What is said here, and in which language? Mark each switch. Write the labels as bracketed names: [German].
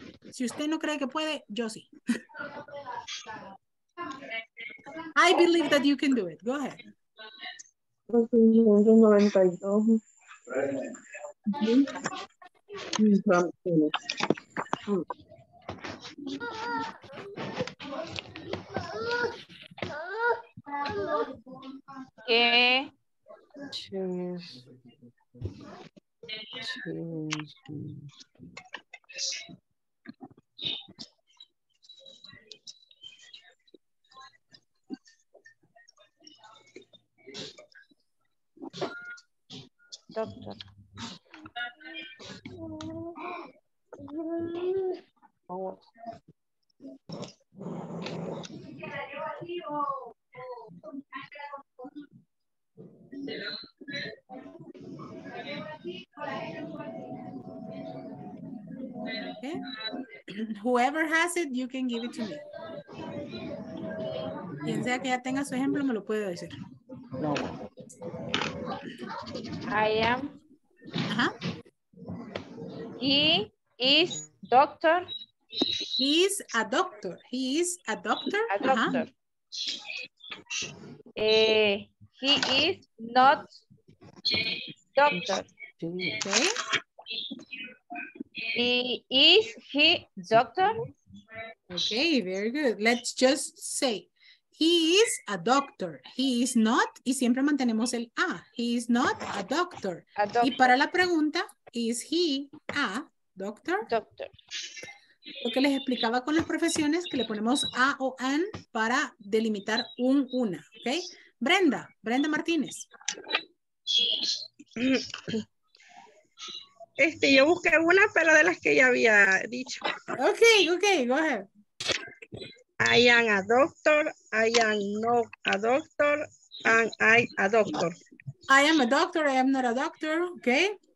[Spanish] Si usted no cree que puede, yo sí. [English] I believe that you can do it. Go ahead. 192. Okay. Whoever has it, you can give it to me. [Spanish] Quien sea que ya tenga su ejemplo, me lo puede decir. No. [English] I am. Uh-huh. He is doctor. He is a doctor. Uh-huh. He is not doctor. Okay. Is he doctor? Okay, very good. Let's just say. He is a doctor. He is not. [Spanish] Y siempre mantenemos el a. [English] He is not a doctor. A doctor. [Spanish] Y para la pregunta, [English] is he a doctor? Doctor. [Spanish] Lo que les explicaba con las profesiones, que le ponemos a o an para delimitar un una. ¿Ok? Brenda Martínez. Yo busqué una, pero de las que ya había dicho. [English] Ok, go ahead. I am a doctor, I am not a doctor, and I a doctor. I am a doctor, I am not a doctor, okay?